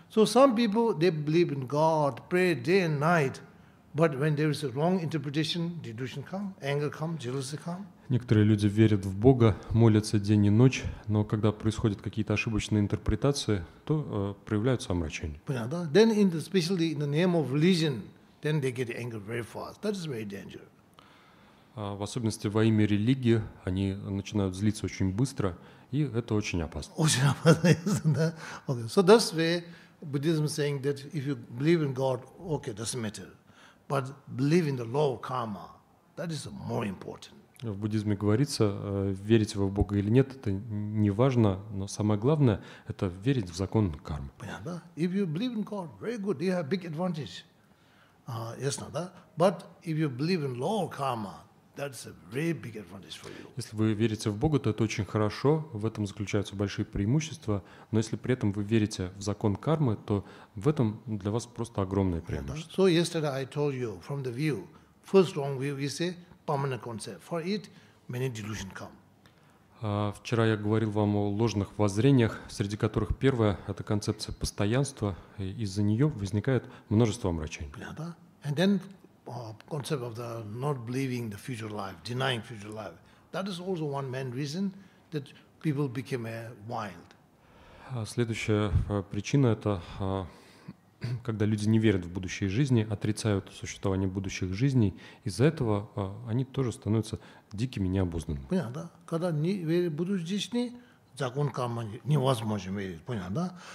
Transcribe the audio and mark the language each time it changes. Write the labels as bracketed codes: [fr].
[en] So, some people, they believe in God, pray day and night, but when there is a wrong interpretation, delusion come, anger come, jealousy come. [ru] Некоторые люди верят в Бога, молятся день и ночь, но когда происходят какие-то ошибочные интерпретации, то проявляются омрачения. Понятно, да? [en] Then in the, especially in the name of religion, then they get angry very fast. That is very dangerous. [ru] В особенности во имя религии они начинают злиться очень быстро, и это очень опасно. Очень опасно, да? Okay. [en] So that's where Buddhism is saying that if you believe in God, okay, doesn't matter. But believe in the law of karma, that is more important. [ru] В буддизме говорится, верите вы в Бога или нет, это не важно, но самое главное – это верить в закон кармы. Понятно, да? [en] If you believe in God, very good, you have big advantage. [ru] Ясно, да? [en] But if you believe in law of karma, that's a very big advantage for you. [ru] Если вы верите в Бога, то это очень хорошо, в этом заключаются большие преимущества, но если при этом вы верите в закон кармы, то в этом для вас просто огромное преимущество. [en] So yesterday I told you from the view, first wrong view, you say, permanent concept. For it, many delusions come. [ru] Вчера я говорил вам о ложных воззрениях, среди которых первое – это концепция постоянства, и из-за нее возникает множество омрачений. Понятно? [en] And then concept of the not believing the future life, denying future life. That is also one main reason that people became wild. [ru] Следующая причина – это когда люди не верят в будущие жизни, отрицают существование будущих жизней, из-за этого они тоже становятся дикими, необузданными. Понятно, да? Когда не верят в будущие жизни, закон кармы невозможно верить, понятно, да?